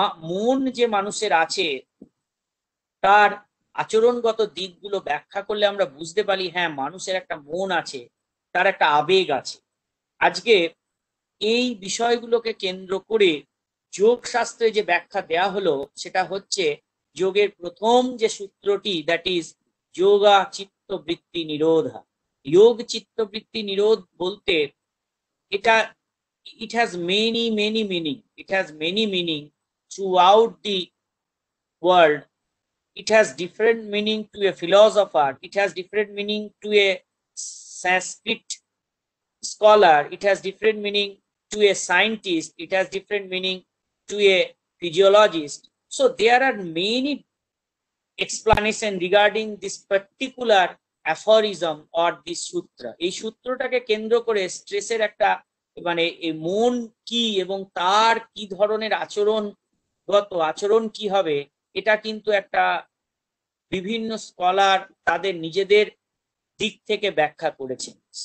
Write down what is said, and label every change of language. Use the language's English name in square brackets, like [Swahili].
[Bangla] মন যে মানুষের আছে তার আচরণগত দিকগুলো ব্যাখ্যা করলে আমরা বুঝতে পারি, হ্যাঁ মানুষের একটা মন আছে, তার একটা আবেগ আছে। আজকে এই বিষয়গুলোকে কেন্দ্র করে যোগশাস্ত্রে যে ব্যাখ্যা দেয়া হলো সেটা হচ্ছে যোগের প্রথম যে সূত্রটি, [English] that is [Bangla] যোগা চিত্তবৃত্তি নিরোধ। [English] যোগ চিত্তবৃত্তি নিরোধ [Bangla] বলতে এটা [English] It has many many meaning, it has many meaning throughout the world, it has different meaning to a philosopher, it has different meaning to a Sanskrit scholar, it has different meaning to a scientist, it has different meaning to a physiologist. So there are many explanations regarding this particular aphorism or this sutra. [Bangla] এই সূত্রটাকে কেন্দ্র করে স্ট্রেসের একটা মানে এই মন কি এবং তার কি ধরনের আচরণ গত আচরণ কি হবে, এটা কিন্তু একটা বিভিন্ন স্কলার তাদের নিজেদের দিক থেকে ব্যাখ্যা করেছেন।